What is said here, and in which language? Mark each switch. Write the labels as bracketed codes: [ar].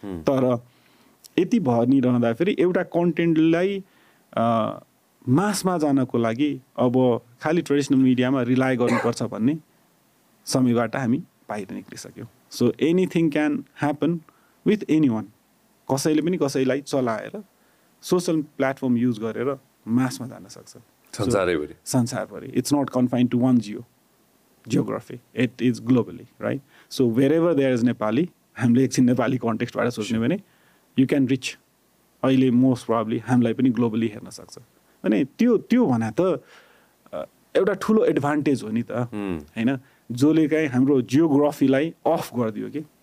[ne] तर यति भनिरहँदाखेरि एउटा कन्टेन्टलाई मासमा जानको लागि अब खालि ट्रेडिसनल मिडियामा रिलाय गर्नुपर्छ भन्ने समयबाट हामी बाहिर निस्किसक्यौँ. [en] so anything can happen with anyone, [ne] कसैले पनि कसैलाई चलाएर सोसियल प्लेटफर्म युज गरेर मासमा जान सक्छ संसारैभरि. [en] संसारभरि it's not confined to one geo geography, it is globally, right? So wherever there is Nepali, [ne] हामीले एकछिन नेपाली कन्टेक्स्टबाट सोच्ने भने [en] you can reach [ne] अहिले [en] most probably [ne] हामीलाई पनि ग्लोबली हेर्न सक्छ. अनि त्यो त्यो भने त एउटा ठुलो एडभान्टेज हो नि त, होइन, जसले चाहिँ हाम्रो जियोग्राफीलाई अफ गरिदियो कि.